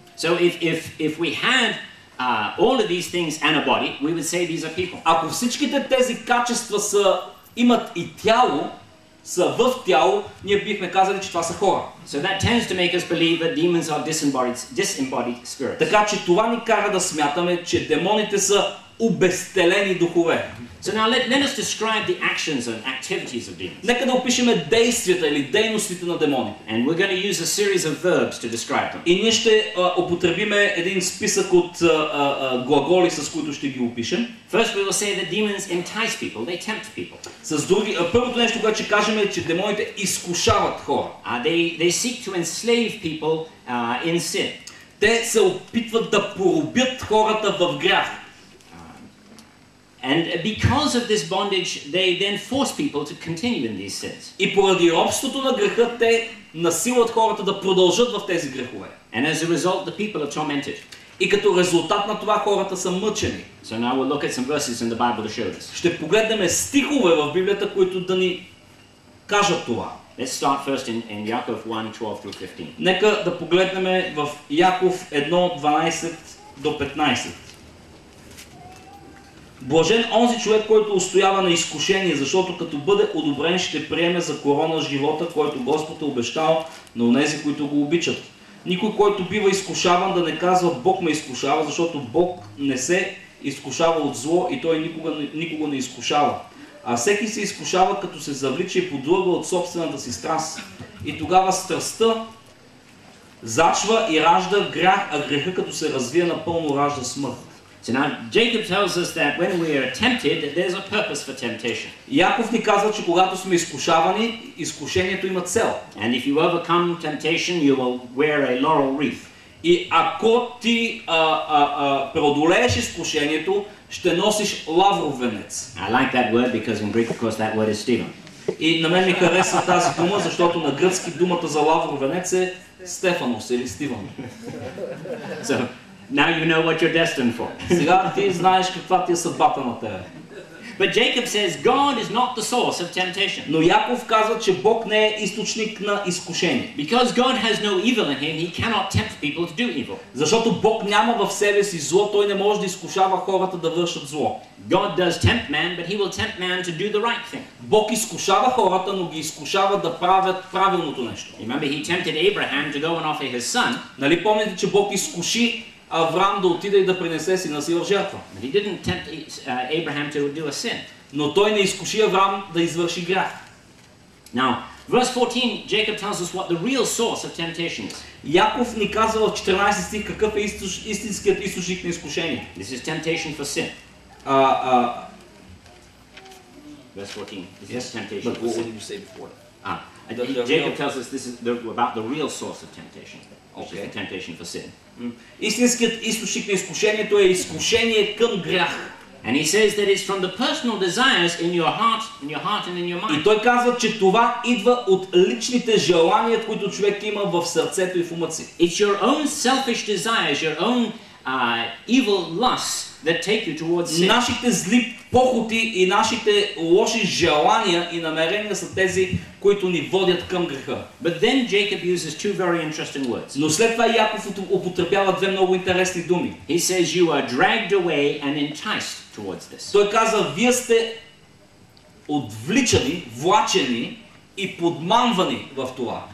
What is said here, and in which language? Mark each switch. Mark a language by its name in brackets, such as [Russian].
[English] So if we had all of these things and a body, we would say these are people. [Bulgarian] Ако всичките тези качества са имат и тяло, са в тяло, ние бихме казали, че това са хора. [English] So that tends to make us believe that demons are disembodied spirits. [Bulgarian] Така че това ни кара да смятаме, че демоните са обезтелени духове. [English] So now let us describe the actions and activities of demons. [Bulgarian] Нека да опишем действията или дейностите на демоните. [English] And we're going to use a series of verbs to describe them. [Bulgarian] И ние ще употребим един списък от глаголи, с които ще ги опишем. [English] First we will say that demons entice people, they tempt people. [Bulgarian] Първото нещо, което ще кажем е, че демоните изкушават хора. [English] They seek to enslave people in sin. [Bulgarian] Те се опитват да порубят хората в грях. [English] And because of this bondage, they then force people to continue in these sins. [Bulgarian] И поради робството на греха, те насилват хората да продължат в тези грехове. [English] And as a result, the people are tormented. [Bulgarian] И като резултат на това, хората са мъчени. [English] So now we'll look at some verses in the Bible to show this. [Bulgarian] Ще погледнем стихове в Библията, които да ни кажат това. [English] Let's start first in Яков 1:12-15. [Bulgarian] Нека да погледнем в Яков 1:12-15. Блажен онзи човек, който устоява на изкушение, защото като бъде одобрен, ще приеме за корона живота, който Господ е обещал на онези, които го обичат. Никой, който бива изкушаван, да не казва Бог ме изкушава, защото Бог не се изкушава от зло и той никога не изкушава. А всеки се изкушава, като се завлича и подлъгва от собствената си страст. И тогава страстта зачва и ражда грях, а греха, като се развие напълно, ражда смърт. [English] So now Jacob tells us that when we are tempted, that there's a purpose for temptation. [Bulgarian] Яков ни казва, че когато сме изкушавани, изкушението има цел. [English] And if you overcome temptation, you will wear a laurel wreath. [Bulgarian] И ако ти преодолееш изкушението, ще носиш лавров венец. [English] I like that word because in Greek, of course, that word is Stephen. [Bulgarian] И на мен ми харесва тази дума, защото на гръцки думата за лавров венец е Стефанос или Стивън. [English] So, now you know what you're destined for. [Bulgarian] Сега ти знаеш каква ти е съдбата на тебе. [English] But Jacob says God is not the source of temptation. [Bulgarian] Но Яков казва, че Бог не е източник на изкушение. [English] Because God has no evil in him, he cannot tempt people to do evil. [Bulgarian] Защото Бог няма в себе си зло, той не може да изкушава хората да вършат зло. [English] God does tempt man, but he will tempt man to do the right thing. [Bulgarian] Бог изкушава хората, но ги изкушава да правят правилното нещо. [English] Remember, he tempted Abraham to go and offer his son. [Bulgarian] Нали помните, че Бог изкуши Авраам да отиде и да принесе сина си в жертва. [English] But he didn't tempt Abraham to do a sin. [Bulgarian] Но той не изкуши Авраам да извърши грях. [English] Now, verse 14, Jacob tells us what the real source of temptation is. [Bulgarian] Яков ни казва в 14 стих какъв е истинският източник на изкушение. [English] This is temptation for sin. Verse 14. Yes, temptation. But what did you say before? Jacob tells us this is about the real source of temptation. Okay. The temptation for sin. [Bulgarian] Истинският източник на изкушението е изкушение към грях. [English] And he says that it's from the personal desires in your heart, in your heart and in your mind. [Bulgarian] И той казва, че това идва от личните желания, които човек има в сърцето и в ума си. [English] It's your own selfish desires, your own evil lusts that take you towards sin. [Bulgarian] Нашите зли похоти и нашите лоши желания и намерения са тези, които ни водят към греха. [English] But then Jacob uses two very interesting words. [Bulgarian] Но след това Яков употребява две много интересни думи. [English] He says you are dragged away and enticed towards this. [Bulgarian] Той казва, вие сте отвличани, влачени и подманвани в това.